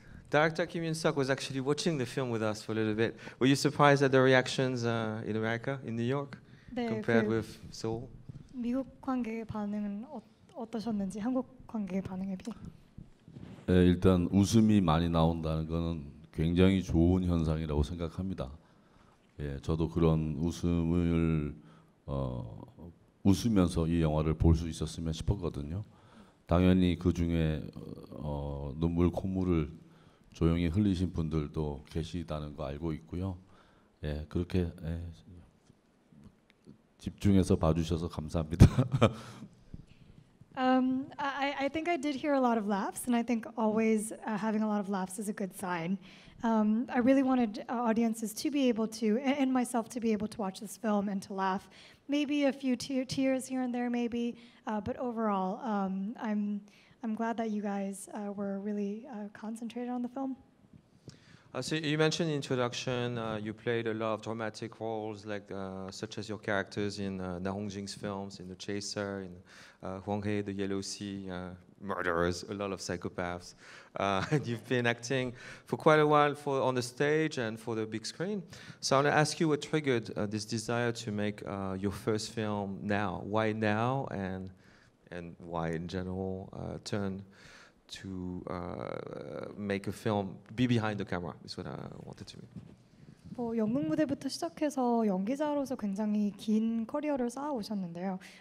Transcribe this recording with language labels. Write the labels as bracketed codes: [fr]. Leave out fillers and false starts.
[en] Director Kim Yoon-suk was actually watching the film with us for a little bit. Were you surprised at the reactions in America, in New York, 네, compared 그 with Seoul? [ko] 미국 관객의 반응은 어떠셨는지 한국 관객의 반응에 비해. 네, 일단 웃음이 많이 나온다는 것은 굉장히 좋은 현상이라고 생각합니다. 예, 저도 그런 웃음을 웃으면서 이 영화를 볼 수 있었으면 싶었거든요. 당연히 그 중에 눈물 콧물을 조용히 흘리신 분들도 계시다는 거 알고 있고요. 예, 그렇게 예, 집중해서 봐주셔서 감사합니다. [en] I think I did hear a lot of laughs, and I think always having a lot of laughs is a good sign. I really wanted audiences to be able to, and myself to be able to watch this film and to laugh. Maybe a few tears here and there, maybe, but overall, I'm glad that you guys were really concentrated on the film. So you mentioned in the introduction, you played a lot of dramatic roles, like such as your characters in Na Hong-jin's films, in The Chaser, in Huang He, The Yellow Sea, murderers, a lot of psychopaths. And you've been acting for quite a while for on the stage and for the big screen. So I want to ask you what triggered this desire to make your first film now. Why now, and why in general turn to make a film, be behind the camera, is what I wanted to mean. [ko] 뭐 연극 무대부터 시작해서 연기자로서 굉장히 긴 커리어를 쌓아오셨는데요.